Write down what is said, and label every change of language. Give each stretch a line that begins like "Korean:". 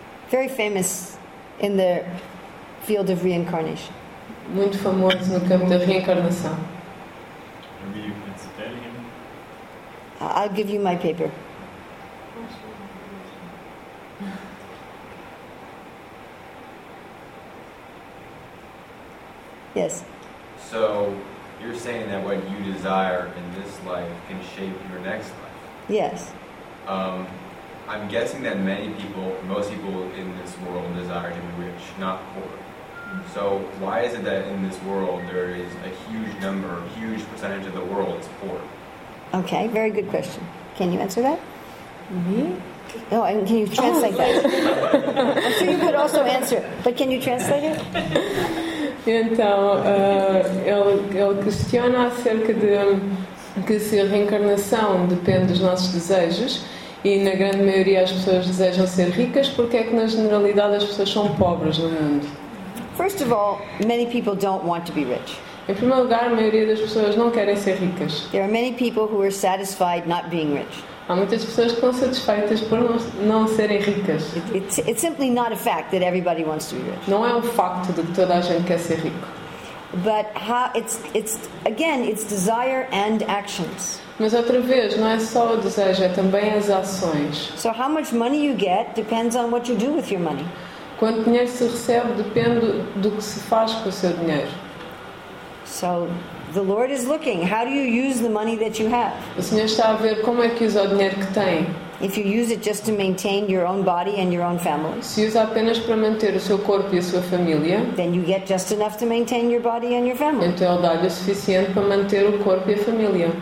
English: Very famous in the field of reincarnation.
Portuguese: Muito famoso no campo da reencarnação.
English: Maybe you can tell him. I'll give you my paper. Yes. So you're saying that what you desire in this life can shape your next life? Yes. I'm guessing that many people, most people in this world, desire to be rich, not poor. So why is it that in this world there is a huge number, a huge percentage of the world is poor? Okay, very good question. Can you answer that? Me? No, I mean, can you translate that? I'm sure you could also answer, but can you translate it?
Portuguese: Então, ele questiona acerca de que se a reencarnação depende dos nossos desejos e na grande maioria as pessoas desejam ser ricas, porque é que na generalidade as pessoas são pobres no mundo?
English: First of all, many people don't want to be rich.
Portuguese: Em primeiro lugar, a maioria das pessoas não querem ser ricas.
English: There are many people who are satisfied not being rich.
Portuguese: Há muitas pessoas que estão satisfeitas por não serem ricas.
English: It's simply not a fact that everybody wants to be rich.
Portuguese: Não é um facto de que toda a gente quer ser rico.
English: But how, it's again, it's desire and actions.
Portuguese: Mas outra vez, não é só o desejo, é também as ações.
English: So how much money you get depends on what you do with your money.
Portuguese: Quanto dinheiro se recebe depende do que se faz com o seu dinheiro.
English: So the Lord is looking. How do you use the money that you have?
Portuguese: O Senhor está a ver como é que usa o dinheiro que tem.
English: If you use it just to maintain your own body and your own family,
Portuguese: se usa apenas para manter o seu corpo e a sua família,
English: then you get just enough to maintain your body and your family.
Portuguese: Então ele dá-lhe o suficiente para manter o corpo e a família.